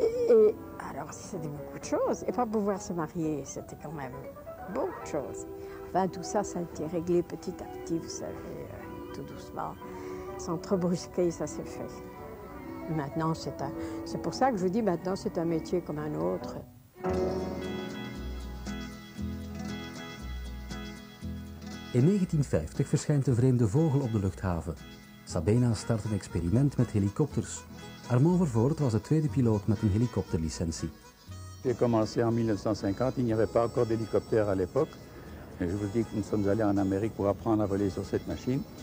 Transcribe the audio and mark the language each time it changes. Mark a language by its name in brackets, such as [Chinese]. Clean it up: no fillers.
[French] Et alors, c'était beaucoup de choses. Et pas pouvoir se marier, c'était quand même beaucoup de choses. Enfin, tout ça, ça a été réglé petit à petit, vous savez, tout doucement. Sans trop brusquer, ça s'est fait. Maintenant, c'est pour ça que je vous dis, maintenant, c'est un métier comme un autre. [Dutch] In 1950 verschijnt de vreemde vogel op de luchthaven. Sabena start een experiment met helikopters. Armand Vervoort was de tweede piloot met een helikopterlicentie. [French] J'ai commencé en 1950, il n'y avait pas encore d'hélicoptère à l'époque. Et je vous dis que nous sommes allés en Amérique pour apprendre à voler sur cette machine.